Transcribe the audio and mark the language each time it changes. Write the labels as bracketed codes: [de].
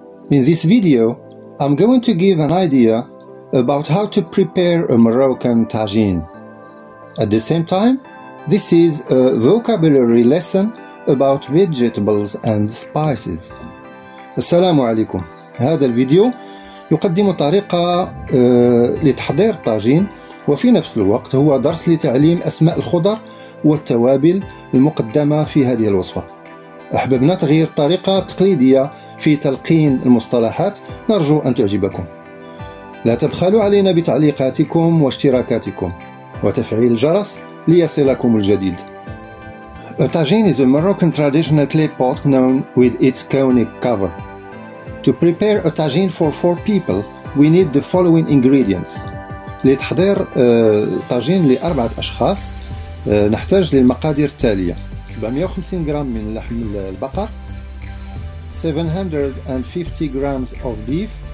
[en] In this video, I'm going to give an idea about how to prepare a Moroccan tagine. At the same time, this is a vocabulary lesson about vegetables and spices. Assalamu alaikum. [ar] هذا الفيديو يقدم طريقة لتحضير طاجين وفي نفس الوقت هو درس لتعليم أسماء الخضر والتوابل المقدمة في هذه الوصفة. أحببنا تغيير طريقة تقليدية في تلقين المصطلحات، نرجو أن تعجبكم. لا تبخلوا علينا بتعليقاتكم واشتراكاتكم وتفعيل الجرس ليصلكم الجديد. [en] A tagine is a Moroccan traditional clay pot known with its conic cover. To prepare a tagine for four people, we need the following ingredients. [ar] لتحضير طاجين لأربعة أشخاص نحتاج للمقادير التالية: 750 غرام من لحم البقر، 750 غرام [en] of beef،